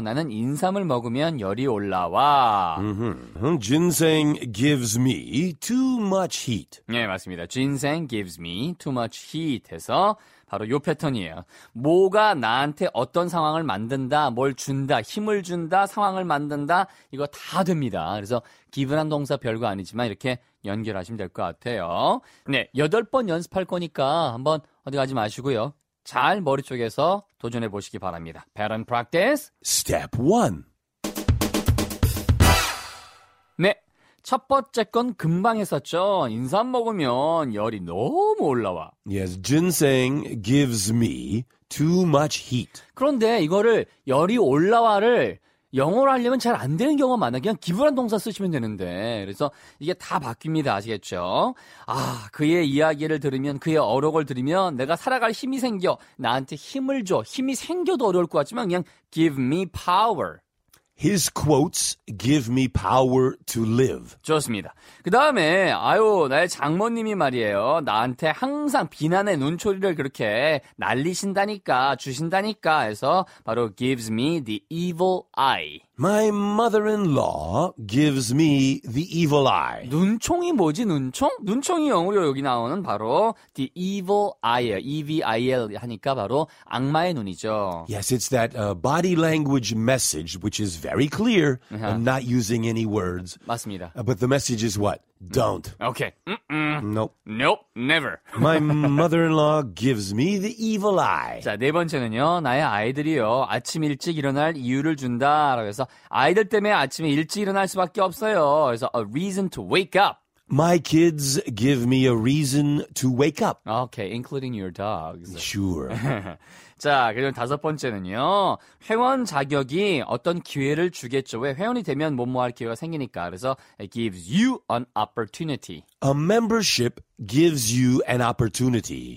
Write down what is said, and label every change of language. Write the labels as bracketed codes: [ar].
[ko] 나는 인삼을 먹으면 열이 올라와. [en] Ginseng gives me too much heat. [ko] 네, 맞습니다. [en] Ginseng gives me too much heat [ko] 해서 바로 요 패턴이에요. 뭐가 나한테 어떤 상황을 만든다, 뭘 준다, 힘을 준다, 상황을 만든다, 이거 다 됩니다. 그래서 give란 동사 별거 아니지만 이렇게 연결하시면 될것 같아요. 네, 8번 연습할 거니까 한번 어디 가지 마시고요. 잘 머릿속에서 도전해 보시기 바랍니다. [en] Pattern practice. Step one. [ko] 네. 첫 번째 건 금방 했었죠. 인삼 먹으면 열이 너무 올라와. [en] Yes, ginseng gives me too much heat. [ko] 그런데 이거를 열이 올라와를 영어로 하려면 잘안 되는 경우가 많아. 그냥 기부란 동사 쓰시면 되는데. 그래서 이게 다 바뀝니다. 아시겠죠? 아, 그의 이야기를 들으면, 그의 어록을 들으면 내가 살아갈 힘이 생겨. 나한테 힘을 줘. 힘이 생겨도 어려울 것 같지만 그냥 [en] give me power. His quotes give me power to live. [ko] 좋습니다. 그 다음에, 아유, 나의 장모님이 말이에요. 나한테 항상 비난의 눈초리를 그렇게 날리신다니까, 주신다니까 해서 바로 [en] gives me the evil eye. My mother-in-law gives me the evil eye. [ko] 눈총이 뭐지, 눈총? 눈총이 영어로 여기 나오는 바로 [en] the evil eye, [ko] evil 하니까 바로 악마의 눈이죠. [en] Yes, it's that body language message which is very clear. I'm not using any words. [ko] 맞습니다. [en] But the message is what? Don't. Okay. Nope. Nope. Never. My mother-in-law gives me the evil eye. [ko] 자, 네 번째는요. 나의 아이들이요. 아침 일찍 일어날 이유를 준다라고 해서 아이들 때문에 아침에 일찍 일어날 수밖에 없어요. [en] 그래서 a reason to wake up. My kids give me a reason to wake up. Okay, including your dogs. Sure. [ko] 자, 그리고 다섯 번째는요. 회원 자격이 어떤 기회를 주겠죠. 왜 회원이 되면 뭐뭐 할 기회가 생기니까. [en] 그래서 it gives you an opportunity. A membership gives you an opportunity.